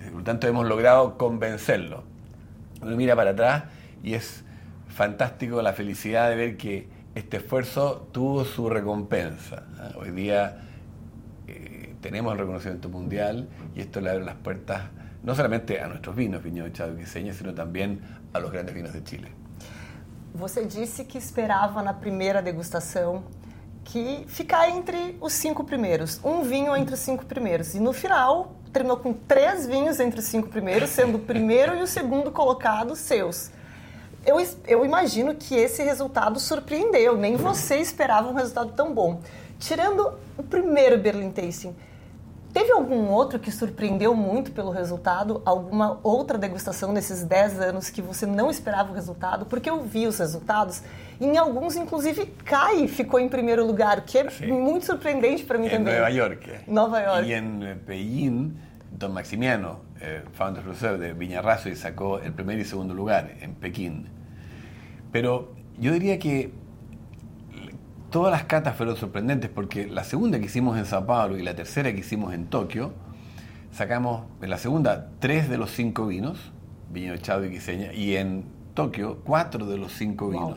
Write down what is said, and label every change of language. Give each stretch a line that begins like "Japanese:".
Spanish: Por lo tanto, hemos logrado convencerlo. Uno mira para atrás y es fantástico la felicidad de ver que este esfuerzo tuvo su recompensa. Hoy día tenemos el reconocimiento mundial y esto le abre las puertas no solamente a nuestros vinos, Viñedo Chadwick y Seña, sino también a los grandes vinos de Chile.
Portuguese: Você disse que esperava na primeira degustação que ficar entre os cinco primeiros, um vinho entre os cinco primeiros. E no final, terminou com três vinhos entre os cinco primeiros, sendo o primeiro e o segundo colocado seus. Eu imagino que esse resultado surpreendeu, nem você esperava um resultado tão bom. Tirando o primeiro Berlin Tasting, teve algum outro que surpreendeu muito pelo resultado? Alguma outra degustação nesses 10 anos que você não esperava o resultado? Porque eu vi os resultados e em alguns, inclusive, Kai ficou em primeiro lugar, que é sim, muito surpreendente para mim em também. Em Nova York. Nova York. E em Pequim, Dom Maximiano, founder reserve de Viña Raso, e sacou o primeiro e segundo lugar em Pequim.
Spanish: Pero
Portuguese: eu diria que
Spanish: todas las catas fueron sorprendentes, porque la segunda que hicimos en Sao Paulo y la tercera que hicimos en Tokio, sacamos en la segunda 3 de los 5 vinos, Viñedo Chadwick y Seña, y en Tokio 4 de los 5 vinos.